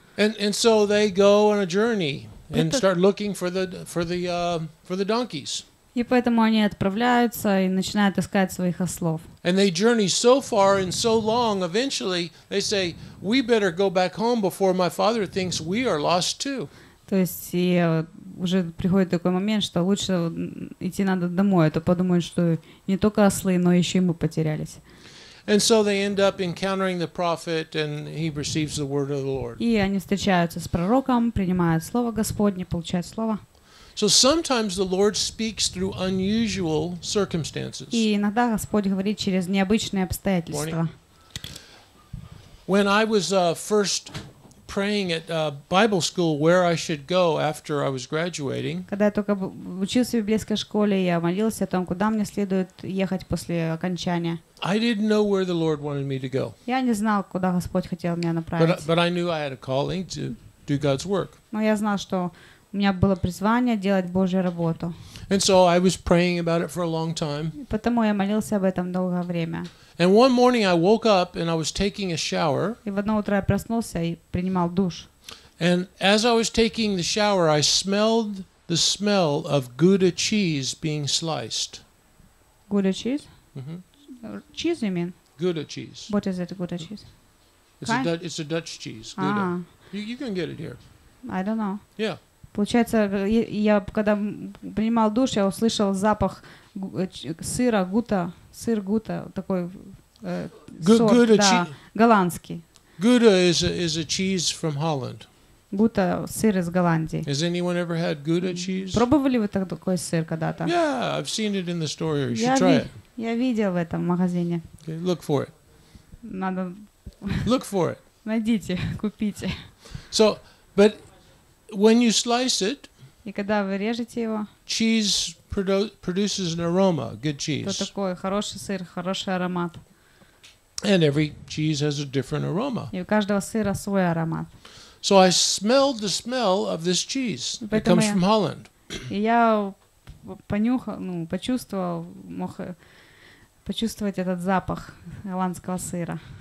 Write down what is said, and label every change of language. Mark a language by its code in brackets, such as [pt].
[en] And so they go on a journey and start looking for the donkeys. [ru] И поэтому они отправляются и начинают искать своих ослов. [en] And they journey so far and so long, eventually they say, we better go back home before my father thinks we are lost too. [ru] То есть уже приходит такой момент, что лучше идти надо домой, а то подумают, что не только ослы, но еще и мы потерялись. [en] And so they end up encountering the prophet, and he receives the word of the Lord. [ru] И они встречаются с пророком, принимают слово Господне, получают слово. [en] So sometimes the Lord speaks through unusual circumstances. [ru] И иногда Господь говорит через необычные обстоятельства. [en] When I was first praying at Bible school where I should go after I was graduating. [ru] Когда я только учился в библейской школе, я молился о том, куда мне следует ехать после окончания. [en] I didn't know where the Lord wanted me to go. [ru] Я не знал, куда Господь хотел меня направить. [en] But I knew I had a calling to do God's work. [ru] Но я знал, что у меня было призвание делать Божью работу. [en] And so I was praying about it for a long time. [ru] Потому я молился об этом долгое время. [en] And one morning I woke up and I was taking a shower. [ru] И в одно утро я проснулся и принимал душ. [en] And as I was taking the shower, I smelled the smell of Gouda cheese being sliced. Gouda cheese? Cheese, you mean? Gouda cheese. What is it, Gouda cheese? It's a Dutch cheese, Gouda. Ah. You can get it here. I don't know. Yeah. [ru] Получается, я когда принимал душ, я услышал запах сыра Гута, сыр Гута, такой сорт, да, голландский. [en] Gouda is a cheese from Holland. [ru] Гута сыр из Голландии. [en] Has anyone ever had Gouda cheese? [ru] Пробовали вы такой сыр когда-то? [en] Yeah, I've seen it in the store. You should try it. [ru] Я видел в этом магазине. [en] Okay, look for it. [ru] Надо. [en] Look for it. [ru] Найдите, купите. [en] So, but when you slice it, [ru] и когда вы режете его, [en] cheese produces an aroma, good cheese. [ru] То такой хороший сыр, хороший аромат. [en] And every cheese has a different aroma. [ru] И у каждого сыра свой аромат. [en] So I smelled the smell of this cheese. It comes from Holland. [ru] Я понюхал, ну, почувствовал, мог почувствовать этот запах голландского сыра.